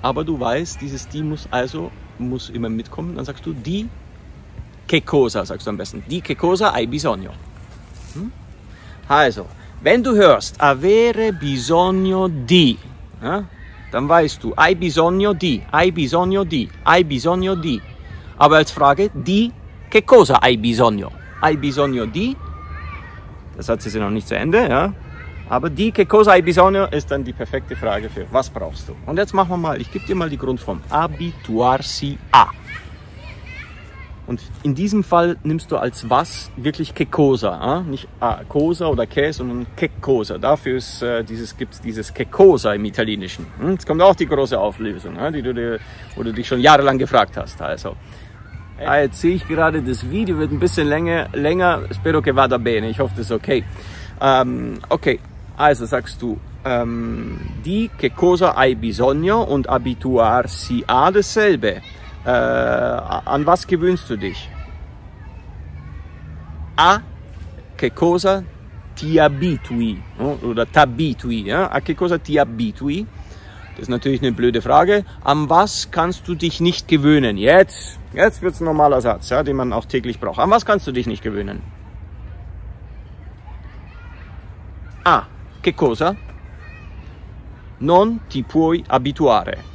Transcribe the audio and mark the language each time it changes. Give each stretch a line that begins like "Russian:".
German: Aber du weißt, dieses di muss immer mitkommen, dann sagst du
Italian: di che cosa,
German: sagst du am besten.
Italian: Di che cosa hai bisogno?
German: Also, wenn du hörst,
Italian: avere bisogno di,
German: ja, dann weißt du,
Italian: hai bisogno di, hai bisogno di,
German: hai bisogno di. Aber als Frage,
Italian: di, che cosa hai bisogno? Hai bisogno di,
German: der Satz ist ja noch nicht zu Ende, ja. Aber
Italian: di, che cosa hai bisogno,
German: ist dann die perfekte Frage für, was brauchst du? Und jetzt machen wir mal, ich gebe dir mal die Grundform,
Italian: abituarsi a.
German: Und in diesem Fall nimmst du als was wirklich
Italian: che cosa,
German: nicht cosa oder che, sondern che cosa. Dafür gibt es dieses
Italian: che cosa
German: im Italienischen. Jetzt kommt auch die große Auflösung, wo du dich schon jahrelang gefragt hast. Also, jetzt sehe ich gerade, das Video wird ein bisschen länger.
Italian: Spero che vada bene.
German: Ich hoffe, das ist okay. Okay, also sagst du,
Italian: di che cosa hai bisogno
German: und
Italian: abituarsi a
German: dasselbe. An was gewöhnst du dich?
Italian: A che cosa
German: T
Italian: ti abitui, no? Oder t'abitui, ja? A che cosa ti abitui?
German: Das ist natürlich eine blöde Frage. An was kannst du dich nicht gewöhnen? Jetzt wird's ein normaler Satz, ja, den man auch täglich braucht. An was kannst du dich nicht gewöhnen?
Italian: A. Che cosa? Non ti puoi abituare.